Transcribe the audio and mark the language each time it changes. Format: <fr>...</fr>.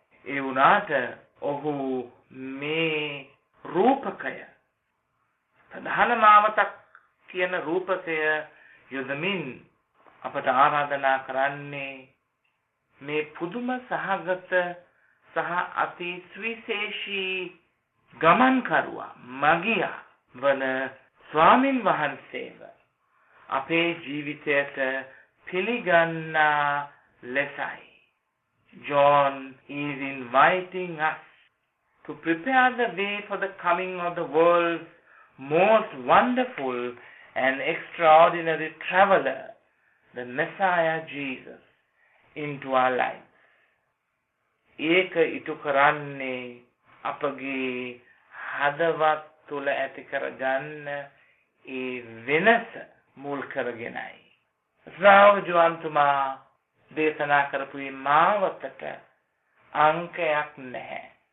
<si>ඒ වුණාට ඔහු මේ රූපකය, ප්‍රධාන මාවතක් කියන රූපකය යොදමින් අපට ආරාධනා කරන්නේ මේ පුදුම සහගත සහ අති ස්විශේෂී ගමන්කරුවා මගියා වන ස්වාමින් වහන්සේව අපේ ජීවිතයට පිළිගන්නා ලෙසයි.</si> <en>John is inviting us to prepare the way for the coming of the world's most wonderful and extraordinary traveler, the Messiah Jesus, into our lives.</en> <si>ඒක ඉටු කරන්නේ අපගේ හදවත් තුළ ඇති කරගන්න ඒ වෙනස මුල් කරගෙනයි. සාවජුවන්තුමා දේශනා කරපු මාවතට අංකයක් නැහැ.</si>